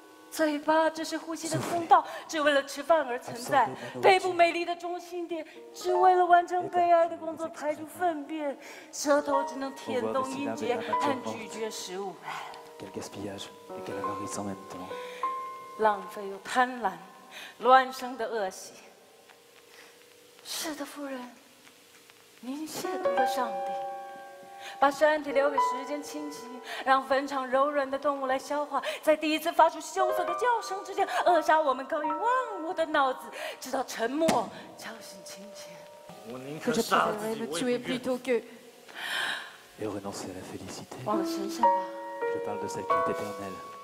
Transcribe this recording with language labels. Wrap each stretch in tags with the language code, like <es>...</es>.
<zh>嘴巴只是呼吸的通道，只为了吃饭而存在。背部美丽的中心点，只为了完成悲哀的工作，排出粪便。舌头只能舔动音节和咀嚼食物。</zh> <fr>Quel gaspillage et quelle avarice en même temps！</fr> <zh>浪费又贪婪，乱生的恶习。是的，夫人，您亵渎了上帝。把身体留给时间侵袭，让粉肠柔软的动物来消化，在第一次发出羞涩的叫声之前，扼杀我们高于万物的脑子，直到沉默叫醒清浅。我宁可杀自己，我也不愿意。</zh> <fr>Et renoncer à la félicité.</fr> <zh>往神圣吧。</zh> <fr>Je parle de celle qui est éternelle.</fr>